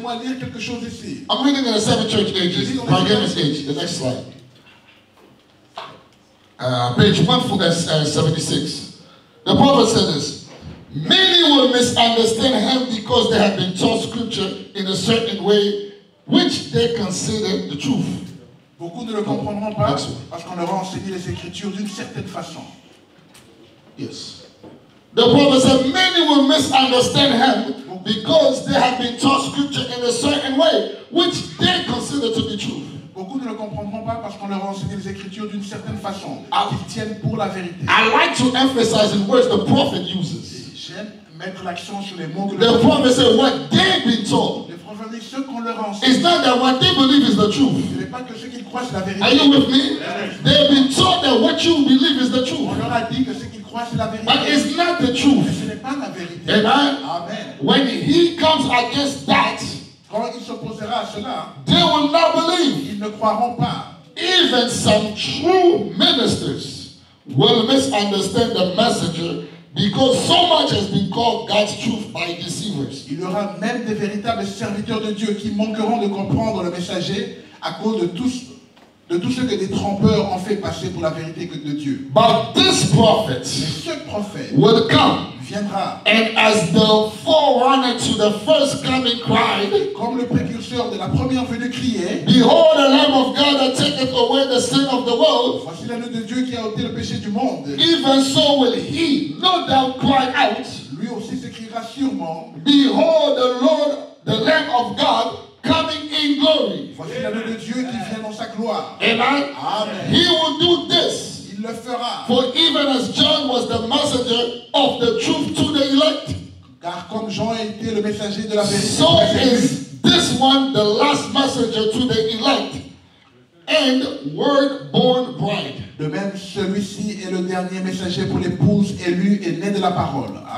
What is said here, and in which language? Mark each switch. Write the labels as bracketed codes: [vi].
[en] I'm reading in the seven church ages, Pergamus age, the next slide. Page 176. The prophet said this, many will misunderstand him because they have been taught scripture in a certain way which they consider the truth. [fr] Beaucoup ne le comprendront pas parce qu'on leur a enseigné les écritures d'une certaine façon. [en] Yes. The prophet said many will misunderstand him because they have been taught scripture in a certain way which they consider to be truth. [fr] Beaucoup ne le comprendront pas parce qu'on leur a enseigné les écritures d'une certaine façon. Ils tiennent pour la vérité. [en] I like to emphasize in words the prophet uses. [fr] J'aime mettre l'accent sur les mots que [en] the prophet said what they've been taught. [fr] Le prophète dit ce qu'on leur a enseigné. [en] It's not that what they believe is the truth. [fr] Ce n'est pas que ce qu'ils croient c'est la vérité. [en] Are you with me? Yes. They've been taught that what you believe is the truth. [fr] On leur a dit que ce qu'ils croient c'est la vérité. [en] But it's not the truth. [fr] Mais ce n'est pas la vérité. [en] And I, amen. When he comes against that, [fr] quand il s'opposera à cela, [en] they will not believe. [fr] Ils ne croiront pas. [en] Even some true ministers will misunderstand the messenger because so much has been called God's truth by deceivers. [fr] Il y aura même des véritables serviteurs de Dieu qui manqueront de comprendre le messager à cause de tout ce que des trompeurs ont fait passer pour la vérité de Dieu. [en] But this prophet, [fr] ce prophète, [en] will come. [fr] Viendra. [en] And as the forerunner to the first coming cried, [fr] comme le précurseur de la première venue criait, [en] behold the Lamb of God that taketh away the sin of the world. [fr] Voici l'agneau de Dieu qui a ôté le péché du monde. [en] Even so will he, no doubt, cry out. [fr] Lui aussi s'écriera sûrement. [en] Behold the Lord, the Lamb of God, coming in glory. [fr] Voici l'agneau de Dieu qui vient dans sa gloire. [en] Amen. Amen. He will do this. [fr] Le fera. [en] For even as John was the messenger of the truth to the elect, [fr] car comme Jean a été le messager de la vérité, [en] so is this one the last messenger to the elect and word-born bride. [fr] De même, celui-ci est le dernier messager pour l'épouse élue et née de la parole.